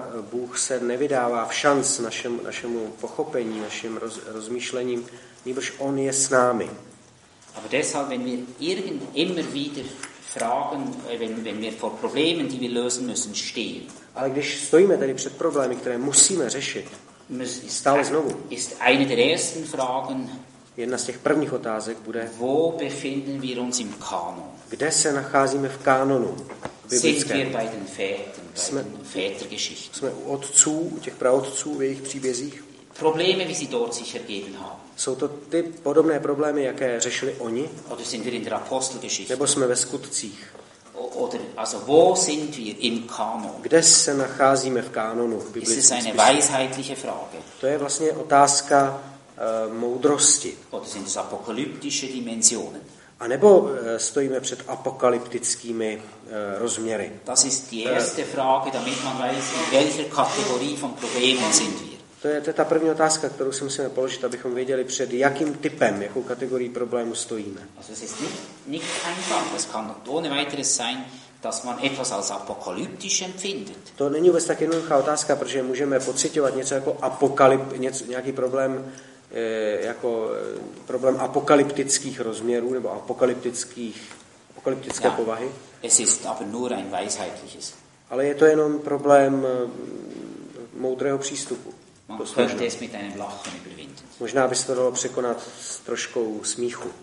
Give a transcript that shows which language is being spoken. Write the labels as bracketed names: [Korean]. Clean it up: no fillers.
[Czech] Bůh se nevydává v šanc našemu pochopení, našim rozmýšlením, nýbrž on je s námi. [German] Aber deshalb, wenn wir immer wieder fragen, wenn wir vor Problemen, die wir lösen müssen, stehen. [Czech] Ale když stojíme tady před problémy, které musíme řešit, stále znovu. [German] Ist eine der ersten Fragen, [Czech] Jedna z těch prvních otázek bude, [German] wo befinden wir uns im Kanon? [Czech] Kde se nacházíme v kánonu biblickém? [German] Sind wir bei den Vätern, bei Vätergeschichten? [Czech] Jsme u otců, u těch praotců, v jejich příbězích? [German] Probleme, wie sie dort sich ergeben haben. [Czech] Jsou to ty podobné problémy, jaké řešili oni? [German] Oder sind wir in der Apostelgeschichte? [Czech] Nebo jsme ve Skutcích? [German] Oder, also wo sind wir im Kanon? [Czech] Kde se nacházíme v kánonu biblickém? [German] Ist es eine weisheitliche Frage? [Czech] To je vlastně otázka moudrosti. [German] Oder sind es apokalyptische Dimensionen? [Czech] A nebo stojíme před apokalyptickými rozměry? [German] Das ist die erste Frage, damit man weiß, in welcher Kategorie von Problemen sind wir. [Czech] To je ta první otázka, kterou si musíme položit, abychom věděli, před jakým typem, jakou kategorií problému stojíme. [German] Also es ist nicht einfach, es kann ohne weiteres sein, dass man etwas als apokalyptisch empfindet. [Czech] To není vůbec tak jednoduchá otázka, protože můžeme pocitovat něco jako nějaký problém, jako problém apokalyptických rozměrů nebo apokalyptické povahy. [German] Es ist aber nur ein weisheitliches. [Czech] Ale je to jenom problém moudrého přístupu. [German] Man könnte es mit einem Lachen überwinden. [Czech] Možná by se to dalo překonat s troškou smíchu.